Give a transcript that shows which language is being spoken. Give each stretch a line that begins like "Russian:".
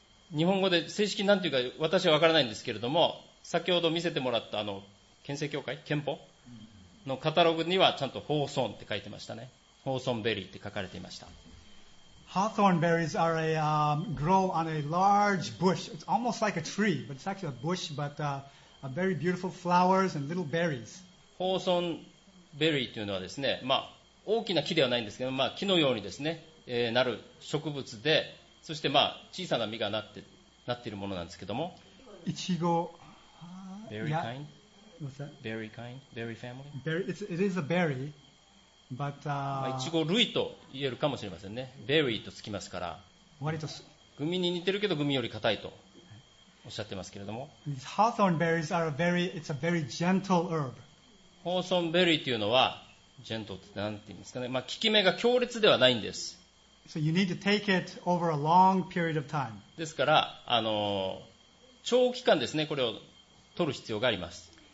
Japanese: 日本語で正式なんていうか私は分からないんですけれども、先ほど見せてもらった憲政協会憲法のカタログにはちゃんとホーソンって書いてましたね。ホーソンベリーって書かれていました。
English: Hawthorn berries are a grow on a large bush. It's almost like a tree, but it's actually a bush, but a very beautiful flowers and little berries.
Japanese: ホーソンベリーというのはですね、まあ、大きな木ではないんですけど、まあ、木のようにですね、なる植物で、そしてまあ小さな実がなっているものなんですけども。いちご。
English: Berry kind? What's that? Berry kind? Berry family? It is a berry, but...
Japanese: いちご類と言えるかもしれませんね。 Berry とつきますから。割と。グミに似てるけど、グミより硬いとおっしゃってますけれども。
English: These hawthorn berries are it's a very gentle herb.
Japanese: ホーソンベリーというのはジェントって何て言うんですかね、まあ、効き目が強烈ではないんです。ですから長期間ですねこれを取る必要があります。